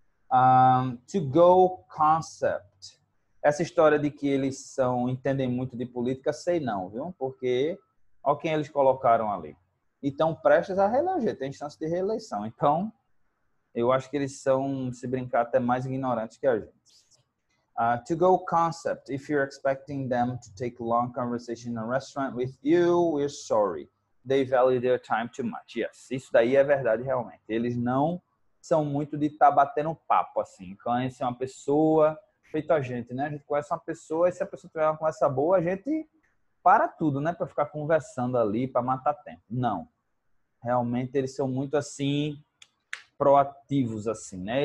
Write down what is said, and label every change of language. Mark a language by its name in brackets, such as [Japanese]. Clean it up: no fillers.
[English] To go concept. [Portuguese] Essa história de que eles entendem muito de política, sei não, viu? Porque, olha quem eles colocaram ali. E estão prestes a reeleger, tem chance de reeleição. Então, eu acho que eles são, se brincar, até mais ignorantes que a gente. [English] To go concept. If you're expecting them to take long conversation in a restaurant with you, we're sorry. They value their time too much. Yes, [Portuguese] isso daí é verdade realmente. Eles não são muito de estar batendo papo assim. Conhecer uma pessoa, feito a gente, né? A gente conhece uma pessoa e se a pessoa tiver uma conversa boa, a gente para tudo, né? Para ficar conversando ali, para matar tempo. Não. Realmente eles são muito assim proativos assim, né?